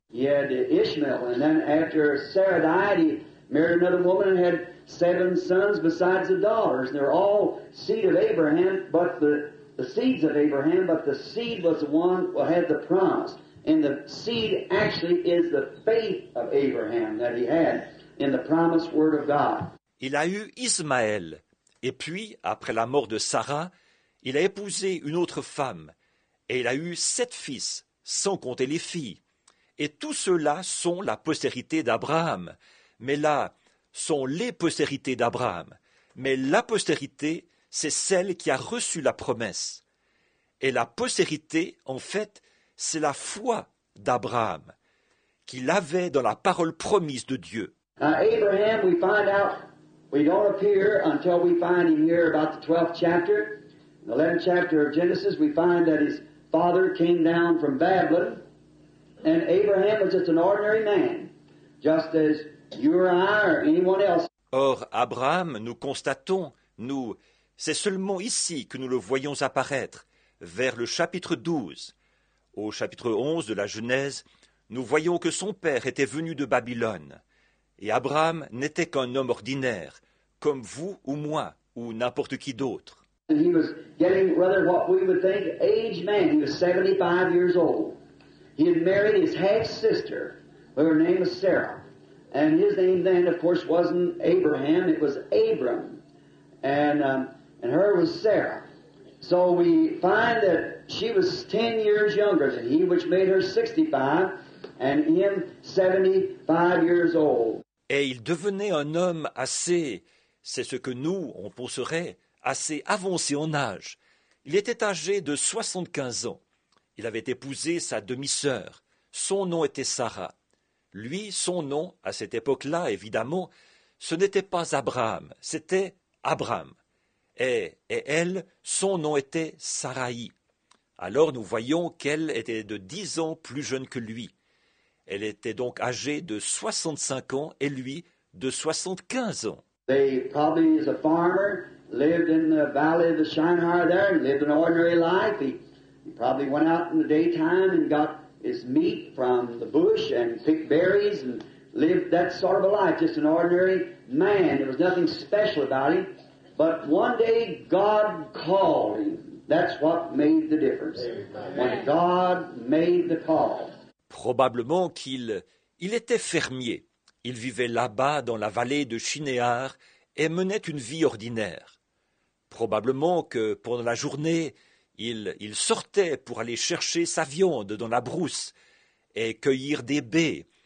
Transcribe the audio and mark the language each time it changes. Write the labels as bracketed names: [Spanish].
[French] Il y a Ishmael, et puis après [English] Sarah died, he married another woman and had seven sons besides the daughters. They're all seed of Abraham, but the seeds of Abraham, but the seed was the one who had the promise. And the seed actually is the faith of Abraham that he had in the promised word of God. [French] Il a eu Ismaël. Et puis, après la mort de Sarah, il a épousé une autre femme. Et il a eu sept fils, sans compter les filles. Et tous ceux-là sont la postérité d'Abraham. Mais là, sont les postérités d'Abraham. Mais la postérité, c'est celle qui a reçu la promesse. Et la postérité, en fait, c'est la foi d'Abraham qu'il avait dans la parole promise de Dieu. [English] Abraham, we find out, we don't appear until we find him here about the 12th chapter. In the 11th chapter of Genesis, we find that his father came down from Babylon. And Abraham was just an ordinary man, just as you or I or anyone else. [French] Or, Abraham, nous constatons, nous, c'est seulement ici que nous le voyons apparaître, vers le chapitre 12. Au chapitre 11 de la Genèse, nous voyons que son père était venu de Babylone. Et Abraham n'était qu'un homme ordinaire, comme vous ou moi, ou n'importe qui d'autre. [English] He was getting rather what we would think aged man. He was 75 years old. He had married his half-sister, her name was Sarah. And his name then, of course, wasn't Abraham, it was Abram. And her was Sarah. So we find that she was 10 years younger than he, which made her 65, and him 75 years old. [French] Et il devenait un homme assez, c'est ce que nous, on penserait, assez avancé en âge. Il était âgé de 75 ans. Il avait épousé sa demi-sœur. Son nom était Sarah. Lui, son nom, à cette époque-là, évidemment, ce n'était pas Abraham, c'était Abram. Et elle, son nom était Saraï. Alors nous voyons qu'elle était de 10 ans plus jeune que lui. Elle était donc âgée de 65 ans et lui de 75 ans. [English] They probably is a farmer, lived in the valley of the Shinar there, and lived an ordinary life. He probably went out in the daytime and got his meat from the bush and picked berries and lived that sort of a life, just an ordinary man. There was nothing special about him. But one day God called him. That's what made the difference. When God made the call. [French] Probablement qu'il était fermier. Il vivait là-bas dans la vallée de Shinéar et menait une vie ordinaire. Probablement que pendant la journée, il sortait pour aller chercher sa viande dans la brousse et cueillir des baies.